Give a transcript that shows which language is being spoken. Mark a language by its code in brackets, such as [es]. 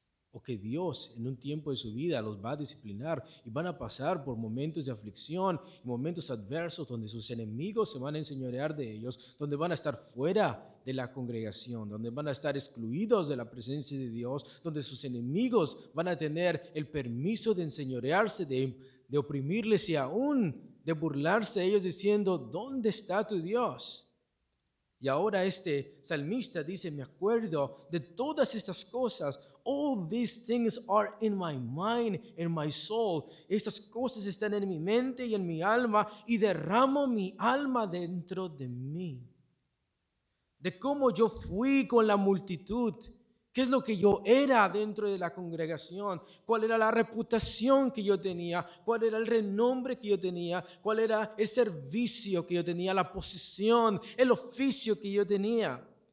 [es] o que Dios en un tiempo de su vida los va a disciplinar y van a pasar por momentos de aflicción, momentos adversos donde sus enemigos se van a enseñorear de ellos, donde van a estar fuera de la congregación, donde van a estar excluidos de la presencia de Dios, donde sus enemigos van a tener el permiso de enseñorearse, de oprimirles y aún de burlarse de ellos diciendo, ¿dónde está tu Dios? Y ahora este salmista dice, me acuerdo de todas estas cosas. [en] All these things are in my mind, in my soul. [es] Estas cosas están en mi mente y en mi alma, y derramo mi alma dentro de mí. De cómo yo fui con la multitud, qué es lo que yo era dentro de la congregación, cuál era la reputación que yo tenía, cuál era el renombre que yo tenía, cuál era el servicio que yo tenía, la posición, el oficio que yo tenía.